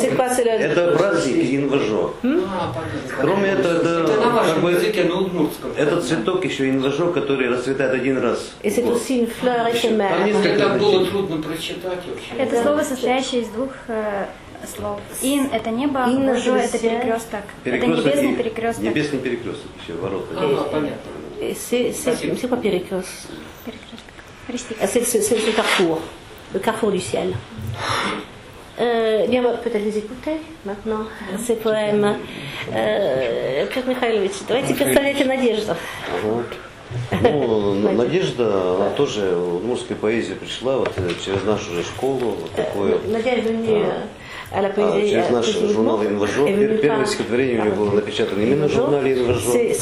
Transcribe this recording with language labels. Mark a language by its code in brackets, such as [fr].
[ru] Это праздник Инвожо. Кроме этого, это как бы этот цветок еще Инвожо, который расцветает один раз. Там несколько значений. Это было слово, состоящее из двух слов. Ин – это небо, Инвожо – это перекресток. Это небесный перекресток. Небесный перекресток еще ворот. Понятно. Спасибо. Перекресток. [fr] C'est ce carrefour, le carrefour du ciel. Bien, on va peut-être les écouter maintenant, ces poèmes. [ru] Pierre Mikhailovich, давайте представляйте Надежду. Ну, Надежда, она тоже в удмуртской поэзии пришла вот через нашу же школу. Вот такое. Надежда не... А через наш журнал «Инвожо». Первое стихотворение у нее было напечатано именно в журнале «Инвожо».